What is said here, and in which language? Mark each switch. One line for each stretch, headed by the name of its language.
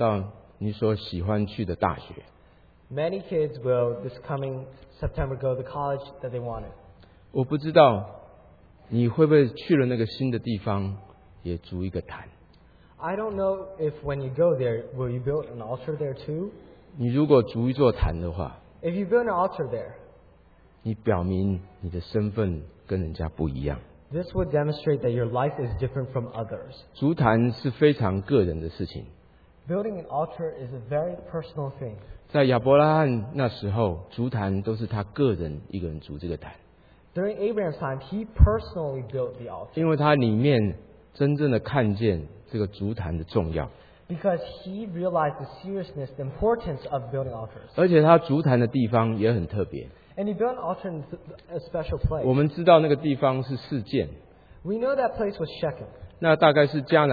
Chinese: 很多孩子九月要到你所喜欢去的大学。
English: Many kids will this coming September go to the college that they wanted.
Chinese: 我不知道你会不会去了那个新的地方也筑一个坛。
English: I don't know if when you go there, will you build an altar there too?
Chinese: 你如果筑一座坛的话,
English: if you build an altar there,
Chinese: 你表明你的身份跟人家不一样。
English: This would demonstrate that your life is different from others.
Chinese: 筑坛是非常个人的事情。
English: Building an altar is a very personal thing.
Chinese: 在亚伯拉罕那时候, 筑坛都是他个人一个人筑这个坛。
English: During Abraham's time, he personally built the altar.
Chinese: 因为他里面真正的看见这个筑坛的重要。
English: Because he realized the seriousness, the importance of building altars.
Chinese: 而且他筑坛的地方也很特别。
English: And he built an altar in a special place.
Chinese: 我们知道那个地方是示剑。
English: We know that place was Shechem.